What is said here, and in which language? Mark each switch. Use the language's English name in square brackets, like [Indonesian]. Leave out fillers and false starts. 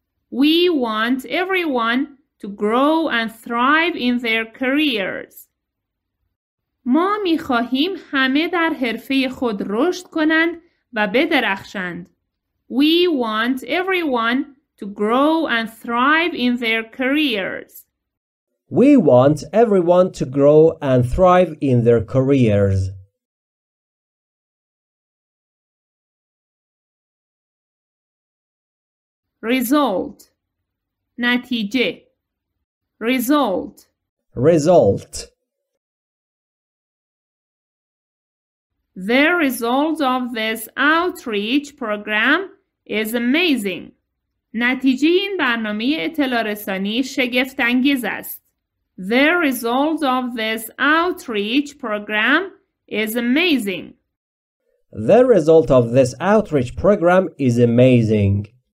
[English] We want everyone to grow and thrive in their careers. [Persian] ما می خواهیم همه در حرفه خود رشد کنند و بدرخشند. [English] We want everyone to grow and thrive in their careers. We want everyone to grow and thrive in their careers. Result. [Persian] نتیجه. [English] Result. Result. The result of this outreach program is amazing. [Persian] نتیجه این برنامه اطلاع رسانی شگفت انگیز است. [English] The result of this outreach program is amazing. The result of this outreach program is amazing.